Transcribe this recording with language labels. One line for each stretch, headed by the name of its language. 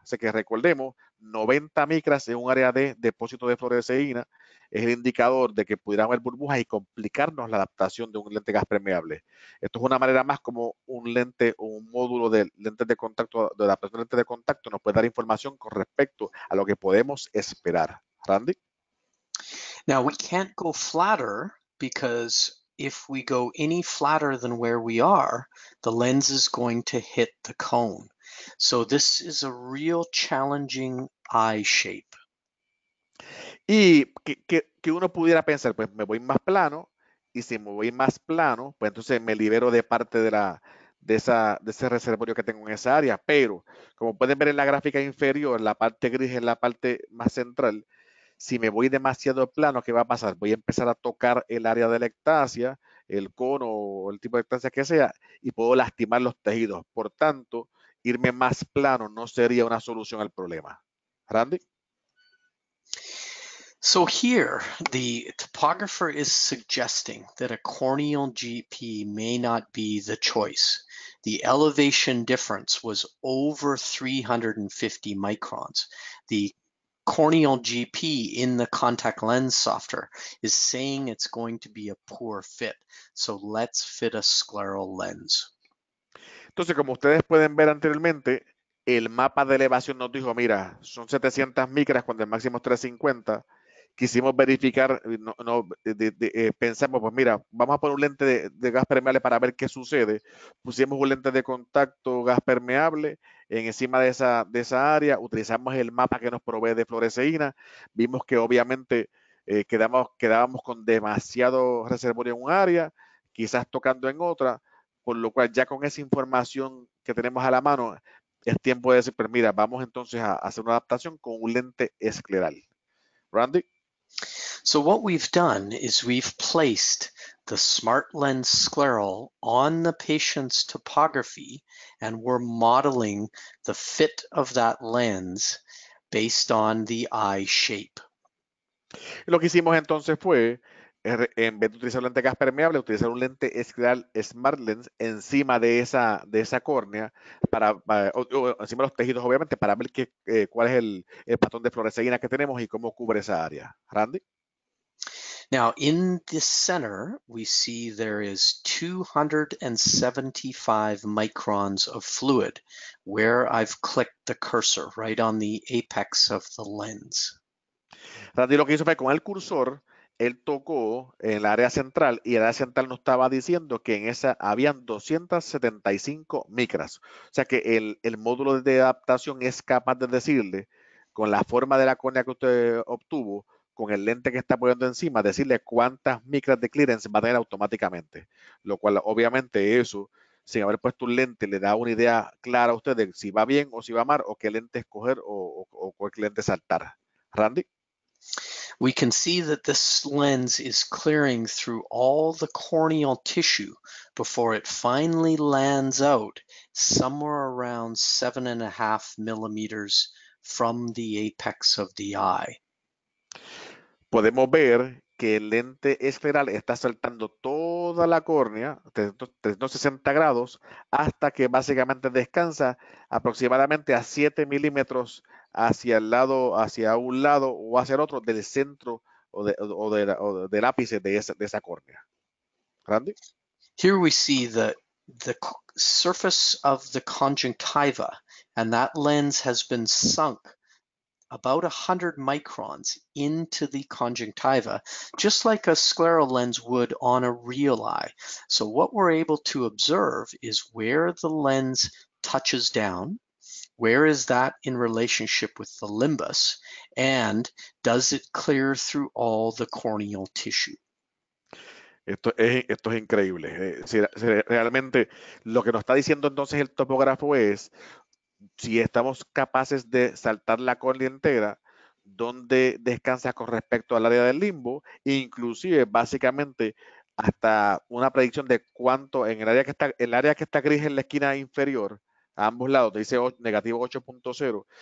Spanish: Así que recordemos, 90 micras en un área de depósito de fluorescina es el indicador de que pudiera haber burbujas y complicarnos la adaptación de un lente gas permeable. Esto es una manera más como un lente o un módulo de lentes de contacto, de adaptación de lentes de contacto, nos puede dar información con respecto a lo que podemos esperar. Randy.
English: Now we can't go flatter because if we go any flatter than where we are, the lens is going to hit the cone. So this is a real challenging eye shape.
Spanish: Y que uno pudiera pensar, pues me voy más plano, y si me voy más plano, pues entonces me libero de parte de de ese reservorio que tengo en esa área. Pero, como pueden ver en la gráfica inferior, la parte gris es la parte más central. Si me voy demasiado plano, ¿qué va a pasar? Voy a empezar a tocar el área de la ectasia, el cono o el tipo de ectasia que sea, y puedo lastimar los tejidos. Por tanto, irme más plano no sería una solución al problema. Randy.
English: So here, the topographer is suggesting that a corneal GP may not be the choice. The elevation difference was over 350 microns. The corneal GP in the contact lens software is saying it's going to be a poor fit. So let's fit a scleral lens.
Spanish: Entonces, como ustedes pueden ver anteriormente, el mapa de elevación nos dijo, mira, son 700 micras cuando el máximo es 350. Quisimos verificar, no, no, pensamos, pues mira, vamos a poner un lente de gas permeable para ver qué sucede. Pusimos un lente de contacto gas permeable en encima de esa área. Utilizamos el mapa que nos provee de fluoresceína. Vimos que obviamente quedábamos con demasiado reservorio en un área, quizás tocando en otra. Por lo cual, ya con esa información que tenemos a la mano, es tiempo de decir, pero mira, vamos entonces a hacer una adaptación con un lente escleral. Randy.
English: So what we've done is we've placed the smart lens scleral on the patient's topography, and we're modeling the fit of that lens based on the eye shape.
Spanish: Lo que hicimos entonces fue, en vez de utilizar un lente gas permeable, utilizar un lente escleral Smart Lens encima de esa córnea, o encima de los tejidos, obviamente, para ver cuál es el patrón de fluoresceína que tenemos y cómo cubre esa área. Randy.
English: Now, in the center, we see there is 275 microns of fluid where I've clicked the cursor right on the apex of the lens.
Spanish: Randy lo que hizo fue con el cursor. Él tocó en el área central y el área central nos estaba diciendo que en esa habían 275 micras. O sea que el módulo de adaptación es capaz de decirle, con la forma de la córnea que usted obtuvo, con el lente que está poniendo encima, decirle cuántas micras de clearance va a tener automáticamente. Lo cual, obviamente, eso, sin haber puesto un lente, le da una idea clara a usted de si va bien o si va mal, o qué lente escoger o qué lente saltar. Randy.
English: We can see that this lens is clearing through all the corneal tissue before it finally lands out somewhere around 7.5 millimeters from the apex of the eye.
Spanish: Podemos ver que el lente escleral está saltando toda la córnea, 360 grados, hasta que básicamente descansa aproximadamente a 7 milímetros hacia el lado, hacia un lado o hacia el otro del centro o del ápice de esa córnea. Randy.
English: Here we see the surface of the conjunctiva, and that lens has been sunk about 100 microns into the conjunctiva, just like a scleral lens would on a real eye. So what we're able to observe is where the lens touches down, where is that in relationship with the limbus, and does it clear through all the corneal tissue?
Spanish: Esto es increíble. Realmente lo que nos está diciendo entonces el topógrafo es si estamos capaces de saltar la córnea entera, dónde descansa con respecto al área del limbo, inclusive básicamente hasta una predicción de cuánto en el área que está gris en la esquina inferior, a ambos lados, te dice negativo 8.0.